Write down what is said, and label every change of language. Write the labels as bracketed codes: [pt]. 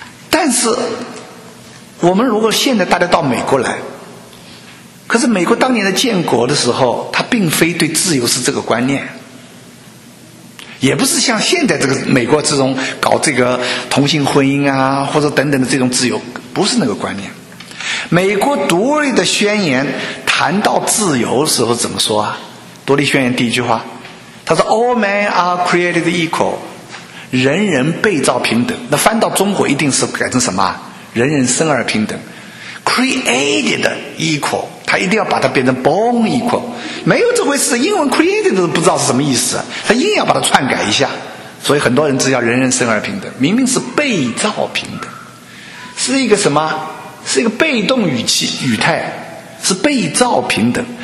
[zh] 但是我们如果现在大家到美国来，可是美国当年的建国的时候，它并非对自由是这个观念，也不是像现在这个美国这种搞这个同性婚姻啊或者等等的这种自由，不是那个观念。美国独立的宣言谈到自由的时候怎么说啊？独立宣言第一句话，他说 [en] All men are created equal， [zh] 人人被造平等。那翻到中国一定是改成什么，人人生而平等。 [en] Created equal， [zh] 他一定要把它变成 [en] born equal， [zh] 没有这回事。英文 created 都不知道是什么意思，他硬要把它篡改一下。所以很多人只要人人生而平等，明明是被造平等，是一个什么，是一个被动语气语态，是被造平等。